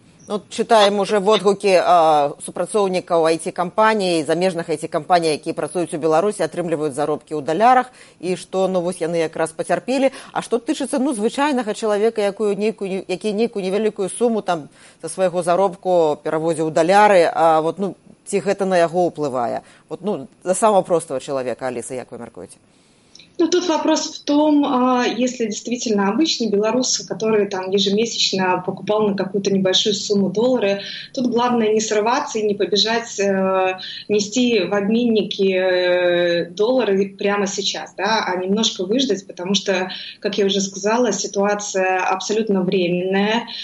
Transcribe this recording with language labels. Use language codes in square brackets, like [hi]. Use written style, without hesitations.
[be] Ну, чытаем уже водгукі супрацоўнікаў IT-кампаній, замежных IT-кампаній, якія працуюць у Беларусі, атрымліваюць заробкі ў далярах, і што, ну, вось яны якраз пацярпілі. А што тычыцца, ну, звычайнага чалавека, які нейкую невялікую суму там за свайго заробку перавозіў у даляры, ці гэта на яго ўплывае? Вот, ну, за самого простого чалавека, Аліса, як вы мяркуеце? [ru] Ну, тут вопрос в том, если действительно обычный белорус, который там ежемесячно покупал на какую-то небольшую сумму доллары, тут главное не срываться и не побежать нести в обменники доллары прямо сейчас, да, а немножко выждать, потому что, как я уже сказала, ситуация абсолютно временная.